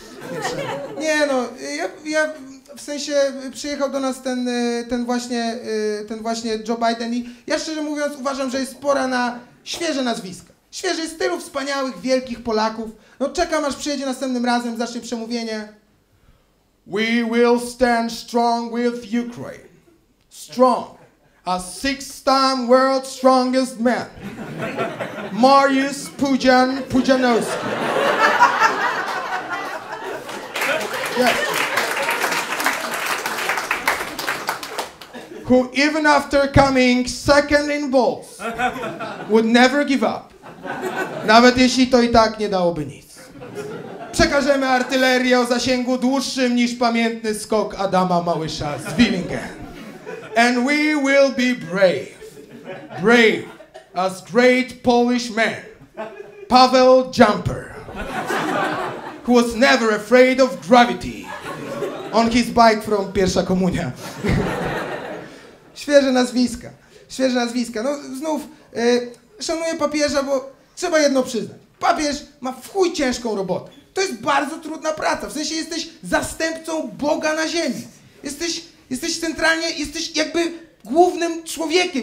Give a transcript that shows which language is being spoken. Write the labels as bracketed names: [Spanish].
[Polish] Nie trzeba klaskać. Nie no, ja w sensie przyjechał do nas ten właśnie Joe Biden i ja szczerze mówiąc uważam, że jest pora na świeże nazwiska. Świeże z tylu wspaniałych, wielkich Polaków. No czekam, aż przyjedzie następnym razem, zacznie przemówienie. [English] We will stand strong with Ukraine. Strong. A 6-time world's strongest man. Mariusz Pudzianowski. Yes. Who even after coming second in balls would never give up. [Polish] Nawet jeśli to i tak nie dałoby nic. Przekażemy artylerię o zasięgu dłuższym niż pamiętny skok Adama Małysza z Wimingen. [English] And we will be brave. Brave as great Polish man. Paweł Jumper. who was never afraid of gravity. On his bike from [Polish] pierwsza komunia. Świeże nazwiska. Świeże nazwiska. No znów, szanuję papieża, bo trzeba jedno przyznać. Papież ma w chuj ciężką robotę. To jest bardzo trudna praca. W sensie jesteś zastępcą Boga na ziemi. Jesteś centralnie, jesteś jakby głównym człowiekiem.